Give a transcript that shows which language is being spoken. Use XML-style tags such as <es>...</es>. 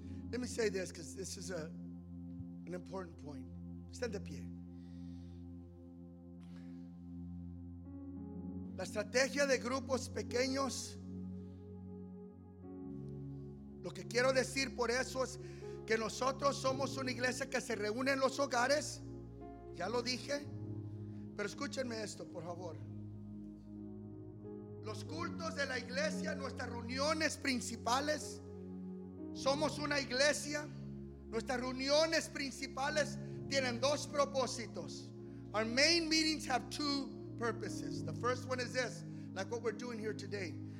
<en>Let me say this because this is an important point. Stand</en> <es>de pie. La estrategia de grupos pequeños, lo que quiero decir por eso es que nosotros somos una iglesia que se reúne en los hogares, ya lo dije, pero escúchenme esto por favor. Los cultos de la iglesia, nuestras reuniones principales, somos una iglesia, nuestras reuniones principales tienen dos propósitos.</es> <en>Our main meetings have two purposes. The first one is this, like what we're doing here today.</en>